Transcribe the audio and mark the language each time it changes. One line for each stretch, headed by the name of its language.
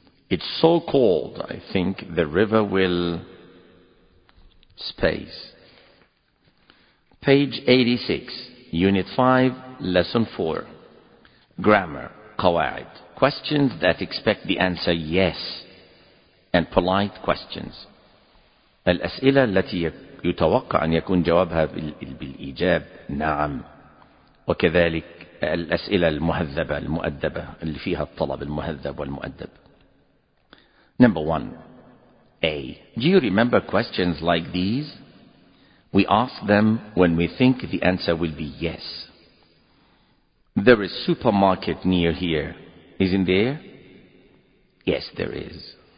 English: It's so cold, I think the river will space. Page 86, Unit 5, Lesson 4. Grammar, qawaid. Questions that expect the answer yes, and polite questions.
Arabic: الأسئلة التي يتوقع أن يكون جوابها بالإيجاب نعم. وكذلك الأسئلة المهذبة المؤدبة اللي فيها الطلب المهذب والمؤدب.
English: Number one, A. Do you remember questions like these? We ask them when we think the answer will be yes. There is a supermarket near here. Isn't there? Yes, there is.